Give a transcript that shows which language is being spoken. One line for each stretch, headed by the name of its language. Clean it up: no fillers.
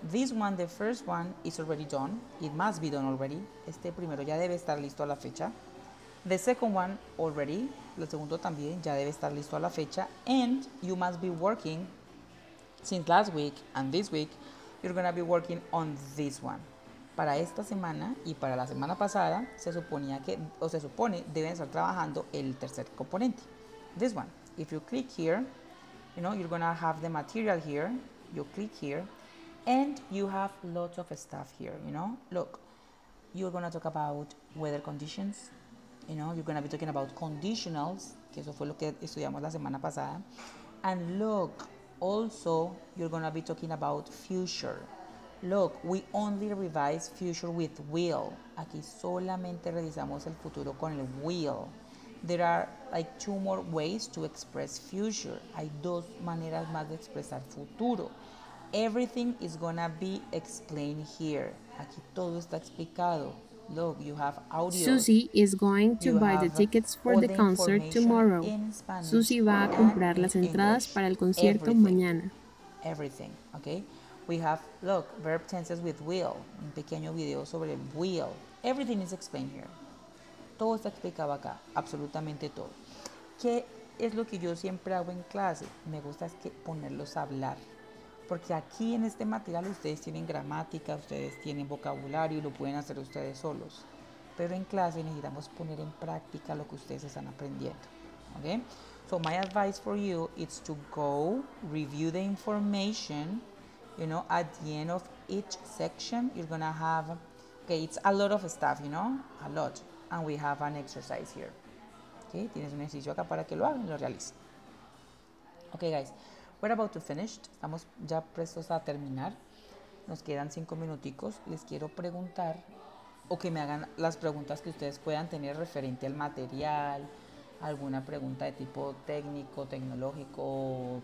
English: This one, the first one, is already done. It must be done already.
Spanish: Este primero ya debe estar listo a la fecha.
English: The second one, already.
Spanish: El segundo también ya debe estar listo a la fecha.
English: And you must be working since last week and this week, you're going to be working on this one.
Spanish: Para esta semana y para la semana pasada, se suponía que, o se supone, deben estar trabajando el tercer componente.
English: This one. If you click here, you know, you're going to have the material here. You click here and you have lots of stuff here, you know. Look, you're going to talk about weather conditions. You know, you're going to be talking about conditionals,
Spanish: que eso fue lo que estudiamos la semana pasada.
English: And look, also, you're going to be talking about future. Look, we only revise future with will.
Spanish: Aquí solamente revisamos el futuro con el will.
English: There are like two more ways to express future.
Spanish: Hay dos maneras más de expresar futuro.
English: Everything is going to be explained here.
Spanish: Aquí todo está explicado.
English: Look, you have audio. Susie is going to buy the tickets for the concert tomorrow.
Spanish: Susie va a comprar las entradas para el concierto mañana.
English: Everything, okay? We have, look, verb tenses with will.
Spanish: Un pequeño video sobre el will.
English: Everything is explained here.
Spanish: Todo está explicado acá, absolutamente todo. ¿Qué es lo que yo siempre hago en clase? Me gusta es que ponerlos a hablar. Porque aquí en este material ustedes tienen gramática, ustedes tienen vocabulario y lo pueden hacer ustedes solos. Pero en clase necesitamos poner en práctica lo que ustedes están aprendiendo. ¿Okay?
English: So my advice for you is to go review the information. You know, at the end of each section, you're going to have... Okay, it's a lot of stuff, you know, a lot. And we have an exercise here.
Spanish: Okay, tienes un ejercicio acá para que lo hagan y lo realicen.
English: Okay, guys. We're about to finish.
Spanish: Estamos ya prestos a terminar. Nos quedan 5 minuticos. Les quiero preguntar o que me hagan las preguntas que ustedes puedan tener referente al material, alguna pregunta de tipo técnico, tecnológico.